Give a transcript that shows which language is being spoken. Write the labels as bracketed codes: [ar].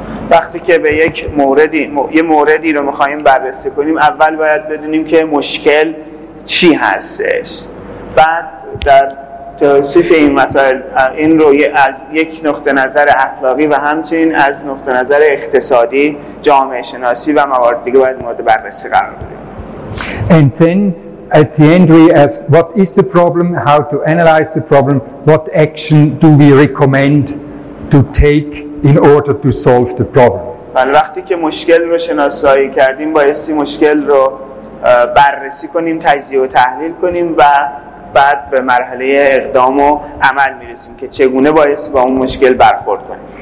[fa] وقتی که به یک موردی یه موردی رو می‌خوایم بررسی کنیم، اول باید بدونیم که مشکل چی هستش. بعد در توصیف این مسائل این رو از یک نقطه نظر اخلاقی و همچنین از نقطه نظر اقتصادی، جامعه شناسی و موارد دیگه باید مورد بررسی قرار بدیم. [en] And then at the end we ask what is the problem, how to analyze the problem, what action do we recommend to take in order to solve the problem. [fa] بله، وقتی که مشکل رو شناسایی کردیم بایستی مشکل رو بررسی کنیم، تجزیه و تحلیل کنیم و بعد به مرحله اقدام و عمل میرسیم که چگونه بایستی با اون مشکل برخورد کنیم.